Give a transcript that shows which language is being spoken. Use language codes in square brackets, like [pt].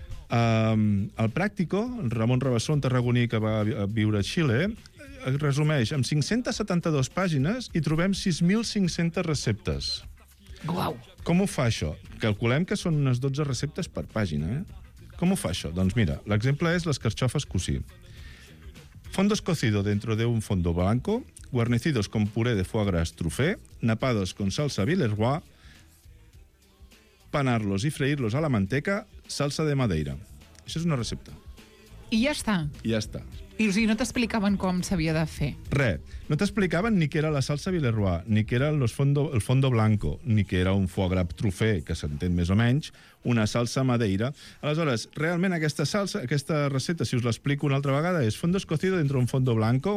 [ca] El Pràctico, Ramon Rabassó, un tarragoní que va viure a Xile, resumeix, amb 572 pàgines i trobem 6.500 receptes. Uau! Com ho fa això? Calculem que són unes 12 receptes per pàgina, eh? Com ho fa això? Doncs mira, l'exemple és les carxofes cosí. [es] Fondos cocido dentro de un fondo blanco, guarnecidos con puré de foie gras truffé, napados con salsa villeroy, panarlos y freírlos a la manteca, salsa de madeira. [ca] Això és una recepta. I ja està? I ja està. I o sigui, no t'explicaven com s'havia de fer? Re, no t'explicaven ni què era la salsa Villeroy, ni què era el fondo blanco, ni què era un foie gras truffé, que s'entén més o menys, una salsa madeira. Aleshores, realment aquesta salsa, aquesta receta, si us l'explico una altra vegada, és [es] fondos cocido dentro un fondo blanco.